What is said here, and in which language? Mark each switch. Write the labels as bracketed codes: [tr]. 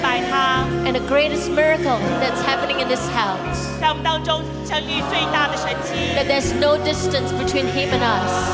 [en] And the greatest miracle that's happening in this house. [zh] 在我们当中成立最大的神迹 [en] That there's no distance between him and us.